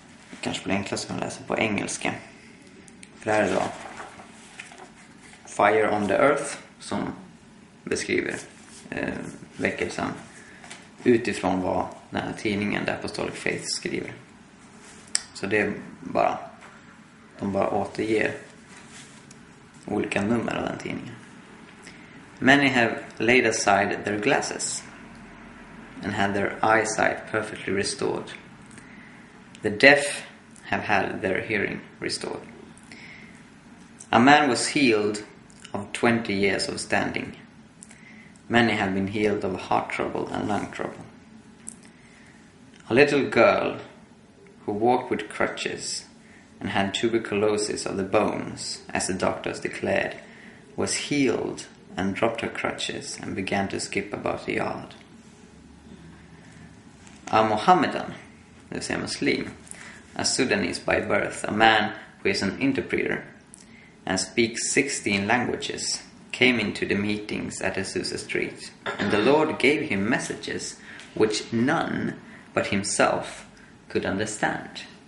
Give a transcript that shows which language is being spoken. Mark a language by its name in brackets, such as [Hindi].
[Swedish] Det kanske blir enklast att läsa på engelska. För det här är då Fire on the Earth som beskriver väckelsen utifrån vad den här tidningen där Apostolic Faith skriver. Så det är bara, de bara återger olika nummer av den tidningen. [English] Many have laid aside their glasses and had their eyesight perfectly restored. The deaf have had their hearing restored. A man was healed of 20 years of standing. Many have been healed of heart trouble and lung trouble. A little girl who walked with crutches and had tuberculosis of the bones, as the doctors declared, was healed and dropped her crutches and began to skip about the yard. A Mohammedan, [Swedish] det vill säga muslim. [English] A Sudanese by birth, a man who is an interpreter and speaks 16 languages, came into the meetings at Azusa Street. And the Lord gave him messages which none but himself could understand.